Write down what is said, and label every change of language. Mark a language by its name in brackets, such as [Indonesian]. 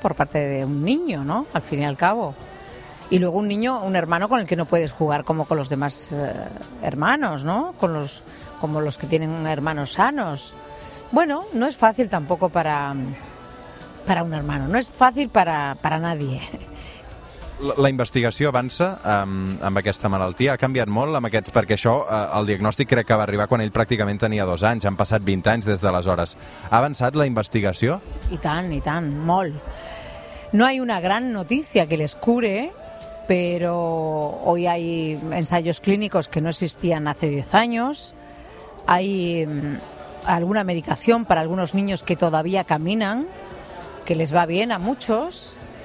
[Spanish] Por parte de un niño, ¿no? Al fin y al cabo. Y luego un niño, un hermano con el que no puedes jugar como con los demás hermanos, ¿no? Como los que tienen hermanos sanos. Bueno, no es fácil tampoco para un hermano, no es fácil para nadie. [Catalan] La investigació avança amb aquesta malaltia. Ha canviat molt amb aquests, perquè això, el diagnòstic crec que va arribar quan ell pràcticament tenia 2 anys. Han passat 20 anys des d'aleshores. Ha avançat la investigació? I tant, molt. [Spanish] No hay una gran noticia que les cure, pero hoy hay ensayos clínicos que no existían hace 10 años. hay alguna medicación para algunos niños que todavía caminan, que les va bien a muchos.